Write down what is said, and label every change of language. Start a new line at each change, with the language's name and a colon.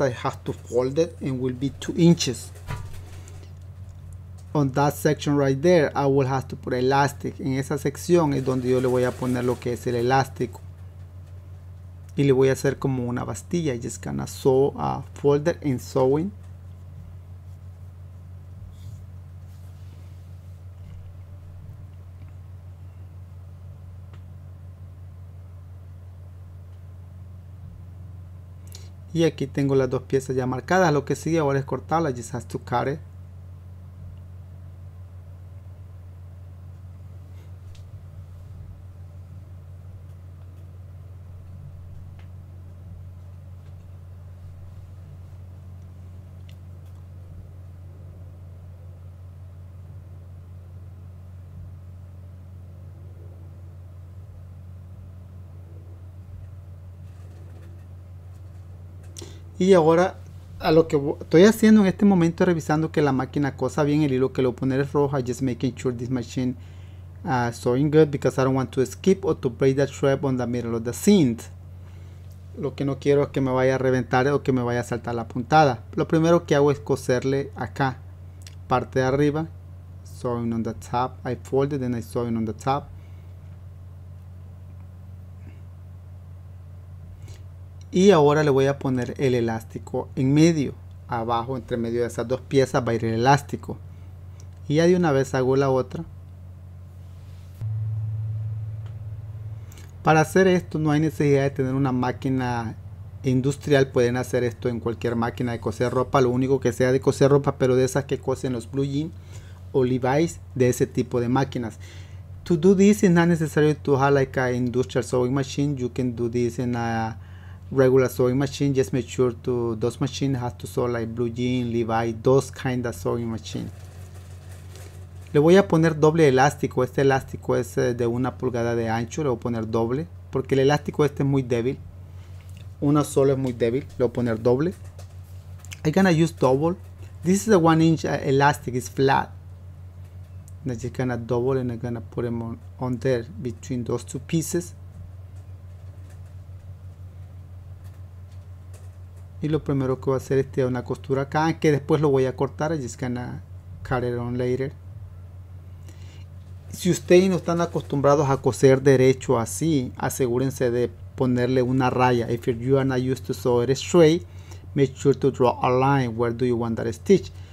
English: I have to fold it and will be 2 inches. On that section right there, I will have to put elastic.
Spanish: En esa sección es donde yo le voy a poner lo que es el elástico. Y le voy a hacer como una bastilla.
English: Just gonna sew a folder and sewing.
Spanish: Y aquí tengo las dos piezas ya marcadas. Lo que sigue ahora es cortarlas.
English: Just has to cut it.
Spanish: Y ahora a lo que estoy haciendo en este momento, revisando que la máquina cosa bien el hilo que lo pone es roja.
English: Just making sure this machine sewing good, because I don't want to skip or to break the thread on the middle of the seam.
Spanish: Lo que no quiero es que me vaya a reventar o que me vaya a saltar la puntada. Lo primero que hago es coserle acá, parte de arriba,
English: sewing on the top. I fold it, then I sewing on the top.
Spanish: Y ahora le voy a poner el elástico en medio, abajo, entre medio de esas dos piezas va a ir el elástico. Y ya de una vez hago la otra. Para hacer esto no hay necesidad de tener una máquina industrial, pueden hacer esto en cualquier máquina de coser ropa, lo único que sea de coser ropa, pero de esas que cosen los blue jeans o Levi's, de ese tipo de máquinas.
English: To do this is not necessary to have like a industrial sewing machine, you can do this in a regular sewing machine. Just make sure to those machine has to sew like blue jean, Levi, those kind of sewing machine.
Spanish: Le voy a poner doble elástico. Este elástico es de 1 pulgada de ancho. Le voy a poner doble porque el elástico este es muy débil. Uno solo es muy débil. Le voy a poner doble.
English: I'm gonna use double. This is a 1 inch elastic. It's flat. And I'm just gonna double and I'm gonna put them on there between those two pieces.
Spanish: Y lo primero que voy a hacer es tirar una costura acá, que después lo voy a cortar.
English: I'm just gonna cut it on later.
Spanish: Si ustedes no están acostumbrados a coser derecho así, asegúrense de ponerle una raya.
English: If you are not used to sew it straight, make sure to draw a line. Where do you want that stitch?